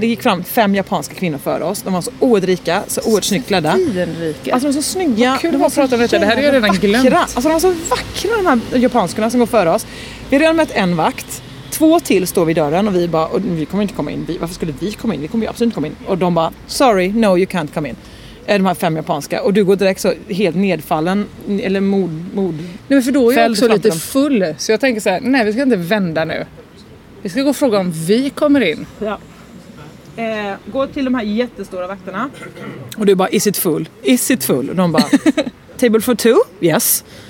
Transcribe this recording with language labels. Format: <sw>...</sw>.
<sv>Det gick fram 5 japanska kvinnor för oss. De var så oerhört rika, så oerhört snyggt klädda. Alltså de var så snygga. Kul att prata om det här. Det är redan glömt. Alltså de var så vackra, de här japanskorna som går för oss. Vi har redan mött en vakt. två till står vid dörren och vi bara, och vi kommer inte komma in. Vi, varför skulle vi komma in? Vi kommer ju absolut inte komma in. Och de bara,</sv> <en>sorry, no you can't come in.</en> <sv>De här fem japanska. Och du går direkt så helt nedfallen. Eller mod. Nej, men för då är jag också lite full. Så jag tänker så här, nej vi ska inte vända nu. Vi ska gå och fråga om vi kommer in. Ja. Gå till de här jättestora vakterna. Och du bara,</sv> <en>is it full? Is it full?</en> <sv>Och de bara,</sv> <en>table for two? Yes.</en>